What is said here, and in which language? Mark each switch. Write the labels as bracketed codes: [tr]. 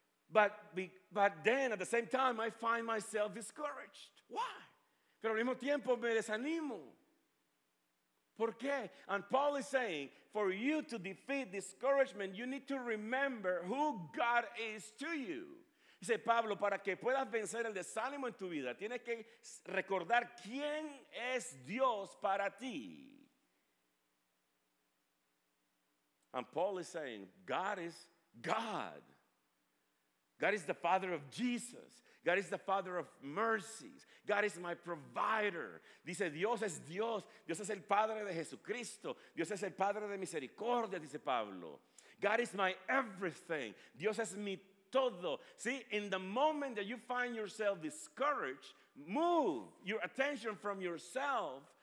[en] But then, at the same time, I find myself discouraged. Why? [es] Pero al mismo tiempo me desanimo. ¿Por qué? [en] And Paul is saying, for you to defeat discouragement, you need to remember who God is to you. [es] Dice Pablo, para que puedas vencer el desánimo en tu vida, tienes que recordar quién es Dios para ti. [en] And Paul is saying, God is God. God is the Father of Jesus. God is the Father of mercies. God is my provider. [es] Dice, Dios es Dios. Dios es el Padre de Jesucristo. Dios es el Padre de misericordia, dice Pablo. [en] God is my everything. [es] Dios es mi todo. [en] See, in the moment that you find yourself discouraged, move your attention from yourself.